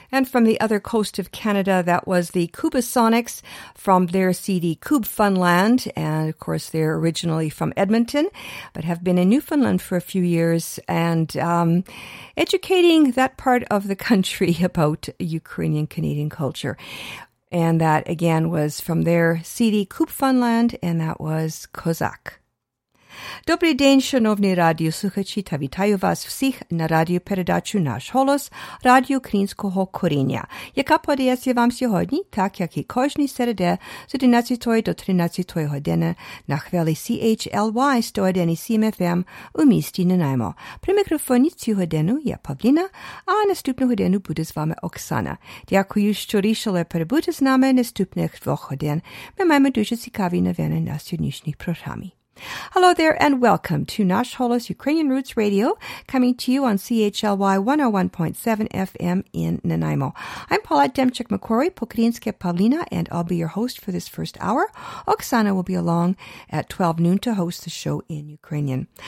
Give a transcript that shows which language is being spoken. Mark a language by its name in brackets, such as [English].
[English] From the other coast of Canada, that was the Cubasonics from their CD Cube Funland, and of course they're originally from Edmonton, but have been in Newfoundland for a few years and educating that part of the country about Ukrainian Canadian culture. And that, again, was from their CD Kupfenland, and that was Kozak. [Russian] Добрый день, [Ukrainian] шановные радиослухачи, та вітаю вас всіх на радіопередачу «Наш голос» радіо Українського коріння, яка подається вам сьогодні, так як і кожній середи з 11 до 13 години на хвилі CHLY 101.7 FM у місті Нанаймо. При мікрофоні цю годину я Павліна, а наступну годину буде з вами Оксана. Дякую, що рішили перебути з нами наступних двох годин. Ми маємо дуже цікаві новини на сьогоднішній програмі. [English] Hello there and welcome to Nash Holos Ukrainian Roots Radio, coming to you on CHLY 101.7 FM in Nanaimo. I'm Paulette Demchuk-McCrory, Pokrinske Pavlina, and I'll be your host for this first hour. Oksana will be along at 12 noon to host the show in Ukrainian.